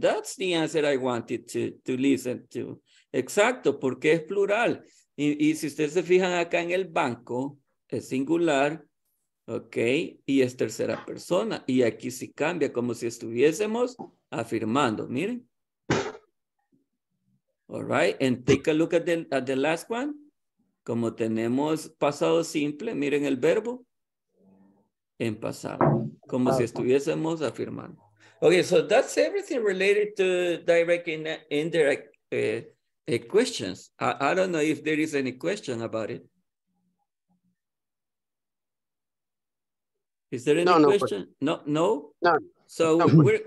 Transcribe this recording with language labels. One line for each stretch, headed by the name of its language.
English: That's the answer I wanted to listen to.
Spanish: Exacto, porque es plural. Y si ustedes se fijan acá en el banco, es singular, ¿ok? Y es tercera persona. Y aquí sí cambia, como si estuviésemos afirmando. Miren.
English: All right, and take a look at the last one.
Spanish: Como tenemos pasado simple, miren el verbo en pasado, como si estuviésemos afirmando.
English: Okay, so that's everything related to direct and indirect questions. I don't know if there is any question about it. Is there any question? No. So no,